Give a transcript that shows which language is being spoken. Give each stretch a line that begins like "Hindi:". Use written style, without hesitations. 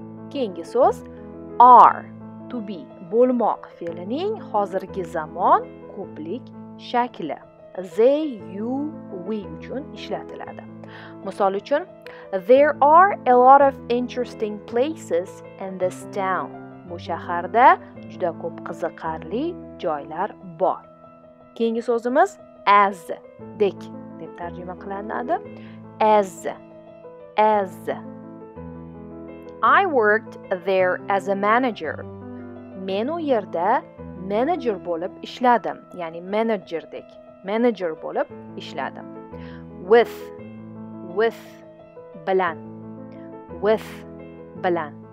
Uzbek: Keyingi so'z are, to be, bo'lmoq fe'lining hozirgi zamon ko'plik shakli. They, you, we uchun ishlatiladi. Misol uchun,
English: there are a lot of interesting places in this town.
Uzbek: Bu shaharda juda ko'p qiziqarli joylar bor. Keyingi so'zimiz as, dek deb tarjima qilinadi.
English: As. As. I worked there as a manager.
Uzbek: Men u yerda manager bo'lib ishladim, ya'ni menejerdek. Manager bo'lib ishladim. With. With. Bilan. With. Bilan.